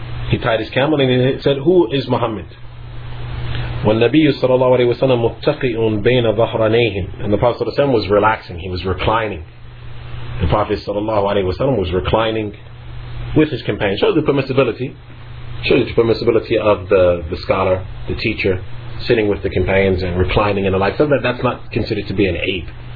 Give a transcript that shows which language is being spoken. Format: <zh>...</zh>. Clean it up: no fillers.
<en>He tied his camel and he said, who is Muhammad?</en> <ar>والنبي صلى الله عليه وسلم متقئ بين ظهرانيهم.</ar> <en>And the Prophet ﷺ was relaxing. He was reclining. The Prophet ﷺ was reclining with his companion. Showed the permissibility of the scholar, the teacher, sitting with the companions and reclining and the like. That's not considered to be an aib.</en>